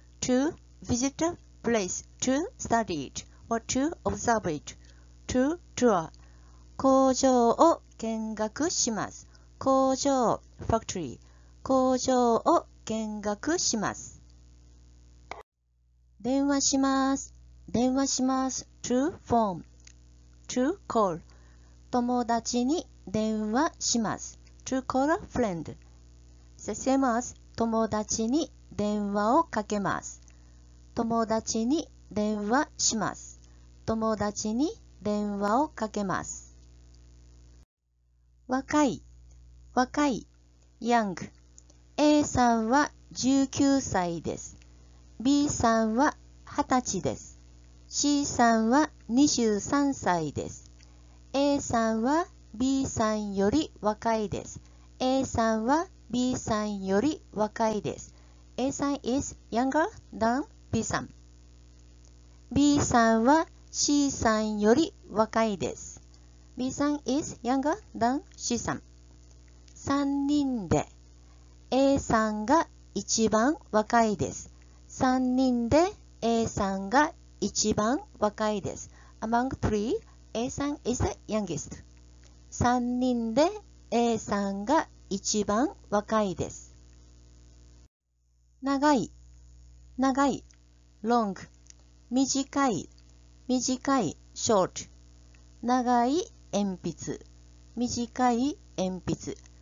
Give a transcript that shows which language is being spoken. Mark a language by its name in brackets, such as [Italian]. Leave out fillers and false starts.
[English] To visit a place, to study it, or to observe it, to tour. [Japanese] 工場を見学します。工場、ファクトリー、工場を見学します。電話します。電話します。 [English] To phone, to call. [Japanese] 友達に電話します。 [English] To call a friend. The same as [Japanese] 友達に電話をかけます。友達に電話します。友達に電話をかけます。若い。若い、young。A さんは 19歳です。B さんは20歳です。 C さんは23歳です。A さんは B さんより若いです。 A さんは B さんより若いです。 [English] A さん is younger than B さん。 [Japanese] B さんは C さんより若いです。 [English] B さん is younger than C さん。 [Japanese] 3人で A さんが一番若いです。 3人で A さんが一番若いです。 [English] Among three, A さん is the youngest. [Japanese] 3人で A さんが一番若いです。長い、長い、long。短い、短い、short。長い鉛筆、短い鉛筆。